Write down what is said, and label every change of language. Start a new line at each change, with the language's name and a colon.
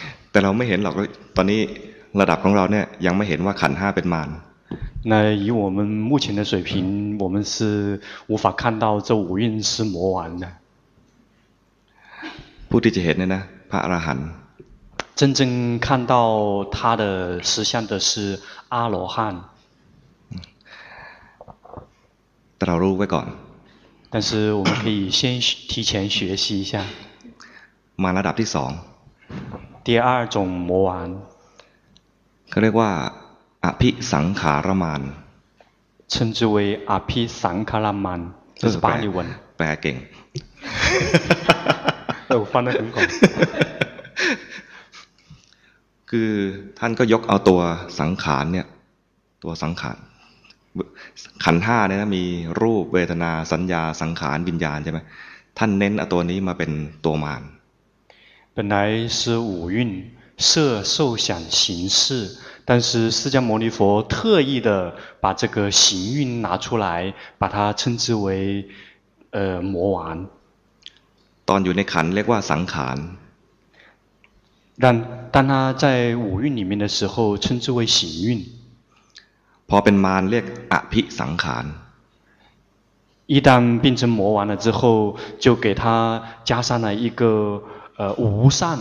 Thai: แต่เราไม่เห็นหรอกตอนนี้ระดับของเราเนี่ยยังไม่เห็นว่าขันธ์5เป็นมาร ใน
Chinese: 以我们目前的水平我们是无法看到这五蕴是魔王的
Thai: ผู้ที่จะเห็นเนี่ยนะพระอรหันต์
Chinese: 真正看到他的实相的是阿罗汉
Thai: แต่เรารู้ไว้ก่อน
Chinese: 但是我们可以先提前学习一下
Thai: มาระดับที่สอง
Chinese: 第二种魔王
Thai: เขาเรียกว่าอภิสังขารมาน
Chinese: 称之为อภิสังขารมาน这是巴利文
Thai: แปลเก่ง
Chinese: 我翻得很好
Thai: คือท่านก็ยกเอาตัวสังขารเนี่ยตัวสังขารขันธ์5เนี่ยนะมีรูปเวทนาสัญญาสังขารวิญญาณใช่ไหมท่านเน้นเอาตัวนี้มาเป็นตัวมาน
Chinese: 本来是五蕴色受想行识但是释迦牟尼佛特意的把这个行蕴拿出来把它称之为魔王
Thai: ตอนอยู่ในขันเรียกว่าสังขาร
Chinese: 但当他在五蕴里面的时候称之为行蕴
Thai: พอเป็นมารเรียกอภิสังขาร
Chinese: 一旦变成魔王了之后就给他加上了一个无善